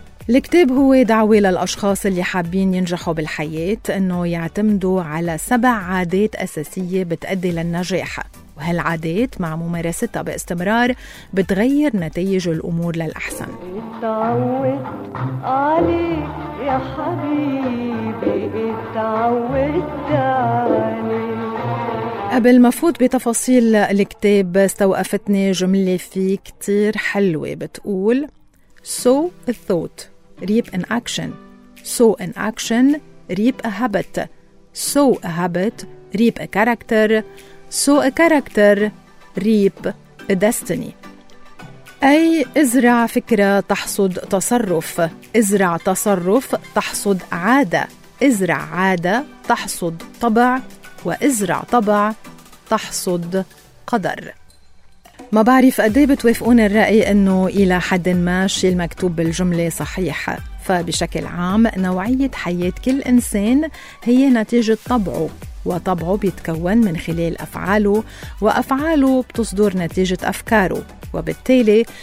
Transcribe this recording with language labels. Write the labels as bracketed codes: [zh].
[ar] الكتاب هو دعوة للأشخاص اللي حابين ينجحوا بالحياة أنه يعتمدوا على 7 عادات أساسية بتأدي للنجاح، وهالعادات مع ممارستها باستمرار بتغير نتائج الأمور للأحسن. اتعودت عليك يا حبيبي اتعودت عليك. قبل ما فوت بتفاصيل الكتاب استوقفتني جملة فيه كتير حلوة بتقول [en] So a thought reap an action, sow an action, reap a habit, sow a habit, reap a character, sow a character, reap a destiny. [ar] أي ازرع فكرة تحصد تصرف، ازرع تصرف تحصد عادة، ازرع عادة تحصد طبع، وازرع طبع تحصد قدر. ما بعرف قدي بتوافقون الرأي أنه إلى حد ما الشيء المكتوب بالجملة صحيحة، فبشكل عام نوعية حياة كل إنسان هي نتيجة طبعه، وطبعه بيتكون من خلال أفعاله، وأفعاله بتصدر نتيجة أفكاره، وبالتالي